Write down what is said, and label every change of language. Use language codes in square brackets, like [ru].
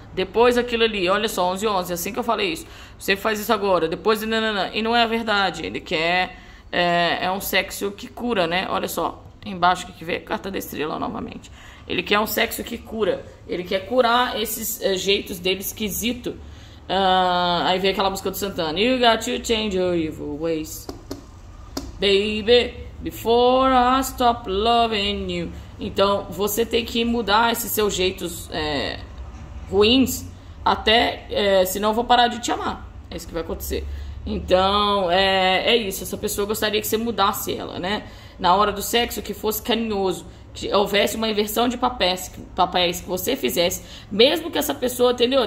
[pt] Depois aquilo ali, olha só, 11h11, assim que eu falei isso. Você faz isso agora, depois. Nanana, e não é a verdade. Ele quer. É um sexo que cura, né? Olha só, embaixo que vê? Carta da estrela novamente. Ele quer um sexo que cura. Ele quer curar esses jeitos dele esquisito. Aí vem aquela música do Santana. [en] You got to change your evil ways. Baby, before I stop loving you. [pt] Então você tem que mudar esses seus jeitos. Ruins, até senão eu vou parar de te amar. É isso que vai acontecer. Então, é isso. Essa pessoa gostaria que você mudasse ela, né? Na hora do sexo, que fosse carinhoso, que houvesse uma inversão de papéis, que você fizesse, mesmo que essa pessoa, entendeu?